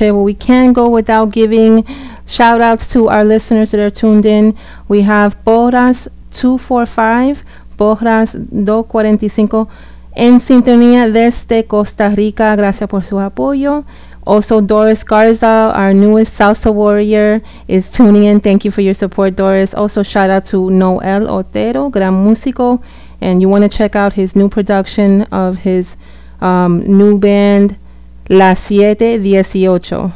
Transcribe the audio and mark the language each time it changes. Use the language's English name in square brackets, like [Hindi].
[English] Well, we can't go without giving shout outs to our listeners that are tuned in. We have Borras 245, Borras 245 [Spanish] en sintonía desde Costa Rica. Gracias por su apoyo. [English] Also, Doris Garza, our newest salsa warrior, is tuning in. Thank you for your support, Doris. Also, shout out to Noel Otero, [Spanish] gran músico. [English] And you want to check out his new production of his new band, La 718.